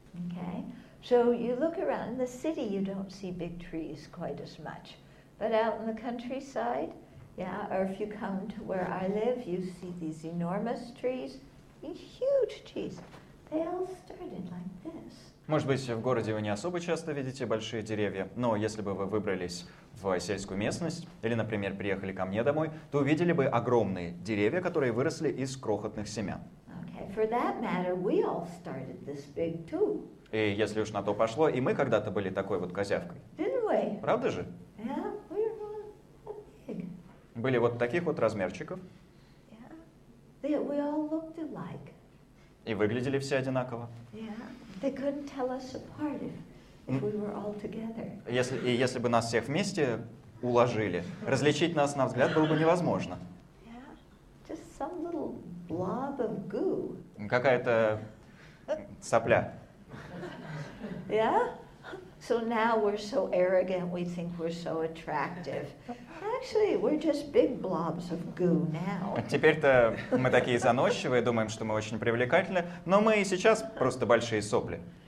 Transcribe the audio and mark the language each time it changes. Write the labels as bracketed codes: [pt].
[en] Okay. So you look around in the city, you don't see big trees quite as much. But out in the countryside, yeah, or if you come to where I live, you see these enormous trees, these huge trees. They all started like this. [ru] Может быть, в городе вы не особо часто видите большие деревья, но если бы вы выбрались в сельскую местность или, например, приехали ко мне домой, то увидели бы огромные деревья, которые выросли из крохотных семян. [en] Okay, for that matter, we all started this big too. [ru] И если уж на то пошло, и мы когда-то были такой вот козявкой. [en] Didn't we? [ru] Правда же? [en] Yeah, we were all big. [ru] Были вот таких вот размерчиков. [en] Yeah. We all looked alike. [ru] И выглядели все одинаково. [en] Yeah. They couldn't tell us apart if we were all together. [ru] Если бы нас всех вместе уложили, различить нас на взгляд было бы невозможно. [en] Yeah. Just some little blob of goo. [ru] Какая-то сопля. [en] Yeah? So now we're so arrogant, we think we're so attractive. Actually, we're just big blobs of goo now. [ru] Теперь-то мы такие заносчивые, думаем, что мы очень привлекательны, но мы и сейчас просто большие сопли.